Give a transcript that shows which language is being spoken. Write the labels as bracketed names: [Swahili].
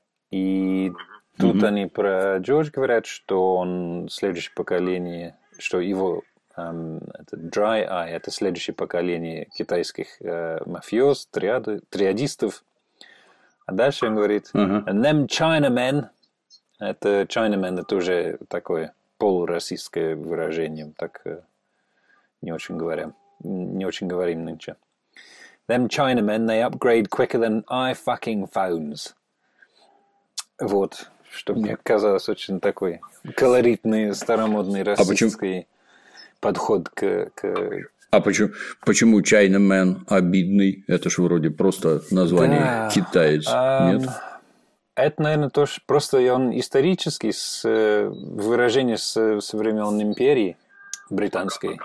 [Russian] и тут они про Джордж говорят, что он следующее поколение, что его это dry eye, это следующее поколение китайских мафиоз, триады, триадистов, а дальше он говорит, [English] and them Chinamen, [Russian] это Chinamen, это уже такое полурасистское выражение, так не очень говоря, не очень говорим нынче. [English] Them Chinamen, they upgrade quicker than I fucking phones. [Russian] Вот, что мне казалось очень такой колоритный, старомодный расистский подход к... А почему Chinamen обидный? Это же вроде просто название китаец, нет? Это, наверное, то, что просто он исторически с выражением со времен империи британской.